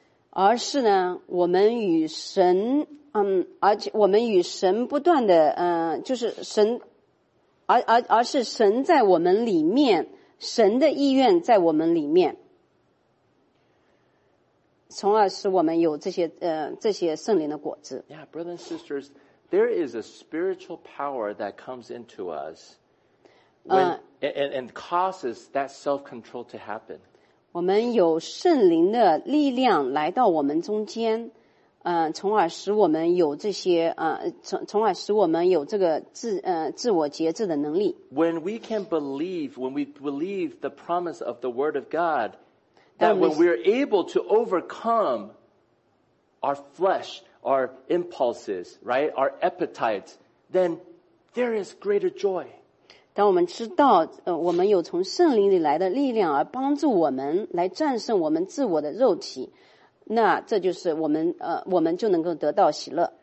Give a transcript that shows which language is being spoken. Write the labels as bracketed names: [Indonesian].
[Chinese] 而是呢，我们与神，而且我们与神不断的，就是神，而是神在我们里面，神的意愿在我们里面。从而使我们有这些圣灵的果子。 [English] Yeah, brothers and sisters, there is a spiritual power that comes into us and causes that self-control to happen. [Chinese] 我们有圣灵的力量来到我们中间，从而使我们有这些从而使我们有这个自我节制的能力。 [English] When we can believe, when we believe the promise of the Word of God,that when we are able to overcome our flesh, our impulses, right, our appetites, then there is greater joy. [Chinese] 当我们知道我们有从圣灵里来的力量而帮助我们来战胜我们自我的肉体，那这就是我们就能够得到喜乐。